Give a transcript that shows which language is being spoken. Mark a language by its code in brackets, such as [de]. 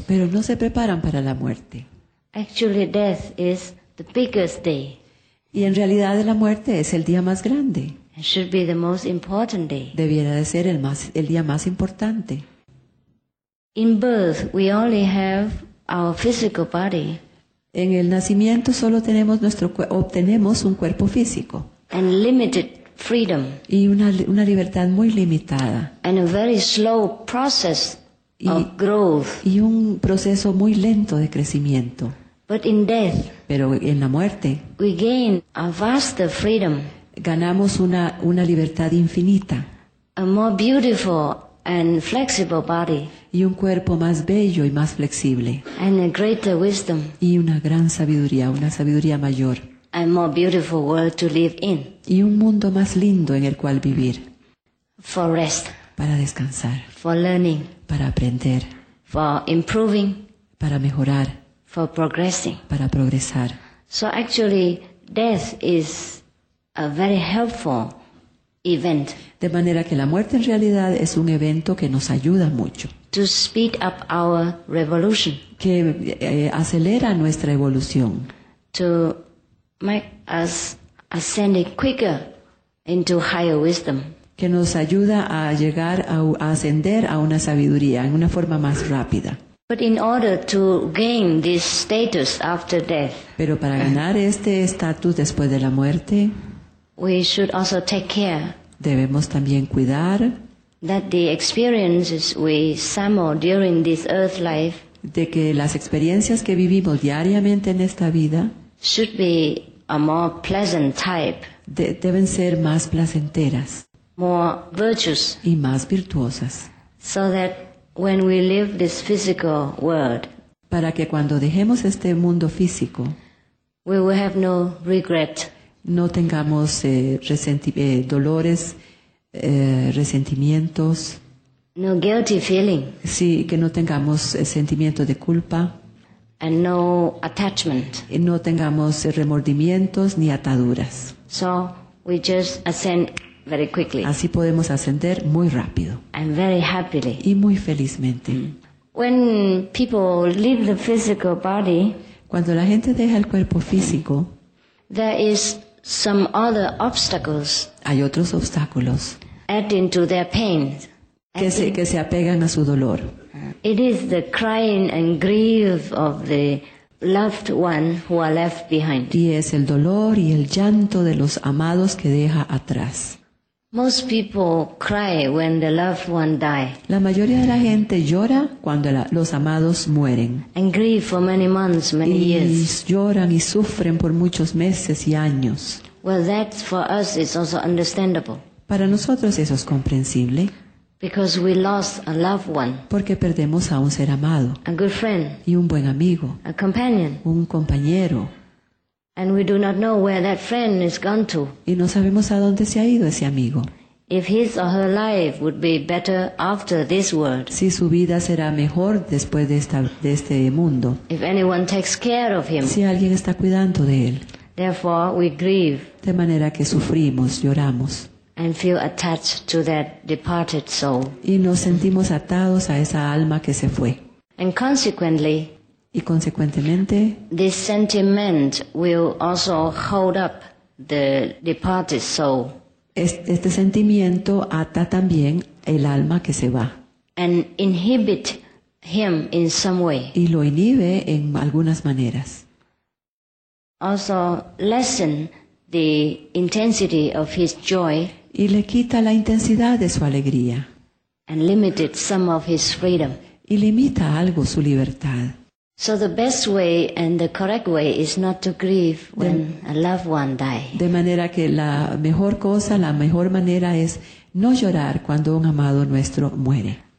[es] Pero no se preparan para la muerte. [en] Actually, death is the biggest day. [es] Y en realidad la muerte es el día más grande. [en] It should be the most important day. [es] Debiera de ser el día más importante. [en] In birth, we only have our physical body. [es] En el nacimiento solo tenemos obtenemos un cuerpo físico. [en] And limited freedom. [es] Y una libertad muy limitada. [en] And a very slow process. [es] Y un proceso muy lento de crecimiento. [en] But in death, [es] pero en la muerte, [en] we gain a vaster freedom, [es] ganamos una libertad infinita, [en] a more beautiful and flexible body, [es] y un cuerpo más bello y más flexible, [en] and a greater wisdom, [es] y una gran sabiduría, una sabiduría mayor, [en] and more beautiful world to live in, [es] y un mundo más lindo en el cual vivir, [en] for rest, [es] para descansar, [en] for learning. [es] Para aprender, [en] for improving, [es] para mejorar, [en] for progressing, [es] para progresar. [en] So actually, death is a very helpful event. [es] De manera que la muerte en realidad es un evento que nos ayuda mucho. [en] To speed up our revolution. [es] Que acelera nuestra evolución. [en] To make us ascend quicker into higher wisdom. [es] Que nos ayuda a llegar a ascender a una sabiduría en una forma más rápida. [en] But in order to gain this status after death, [es] pero para ganar este estatus después de la muerte, [en] we should also take care, [es] debemos también cuidar, [en] that the experiences we summon during this earth life, [es] de que las experiencias que vivimos diariamente en esta vida, [en] should be a more pleasant type, [es] deben ser más placenteras. [en] More virtuous, [es] y más virtuosas, [en] so that when we leave this physical world, [es] para que cuando dejemos este mundo físico, [en] we will have no regret, [es] no tengamos dolores, resentimientos, [en] no guilty feeling, [es] sí, que no tengamos sentimiento de culpa, [en] and no attachment, [es] y no tengamos remordimientos ni ataduras. [en] So we just ascend. Very quickly. [es] Así podemos ascender muy rápido. [en] And very happily. [es] Y muy felizmente. [en] When people leave the physical body, [es] cuando la gente deja el cuerpo físico, [en] there is some other obstacles. [es] Hay otros obstáculos. [en] Adding to their pain. [es] Que se apegan a su dolor. [en] It is the crying and grief of the loved one who are left behind. [es] Y es el dolor y el llanto de los amados que deja atrás. [en] Most people cry when the loved one die. [es] La mayoría de la gente llora cuando los amados mueren. [en] And grieve for many months, many years. [es] Y lloran y sufren por muchos meses y años. [en] Well, that for us is also understandable. [es] Para nosotros eso es comprensible. [en] Because we lost a loved one. [es] Porque perdemos a un ser amado. [en] A good friend. [es] Y un buen amigo. [en] A companion. [es] Un compañero. [en] And we do not know where that friend is gone to. [es] Y no sabemos a dónde se ha ido ese amigo. [en] If his or her life would be better after this world. [es] Si su vida será mejor después de este mundo. [en] If anyone takes care of him. [es] Si alguien está cuidando de él. [en] Therefore, we grieve. [es] De manera que sufrimos, lloramos. [en] and feel attached to that departed soul. [es] Y nos sentimos atados a esa alma que se fue. [en] And consequently, [es] y consecuentemente, [en] this sentiment will also hold up the departed soul. [es] Este sentimiento ata también el alma que se va. [en] And inhibit him in some way. [es] Y lo inhibe en algunas maneras. [en] Also lessen the intensity of his joy. [es] Y le quita la intensidad de su alegría. [en] And limited some of his freedom. [es] Y limita algo su libertad. [en] So the best way and the correct way is not to grieve when a loved one dies. [es] De manera que la mejor cosa, la mejor manera es no llorar cuando un amado nuestro muere.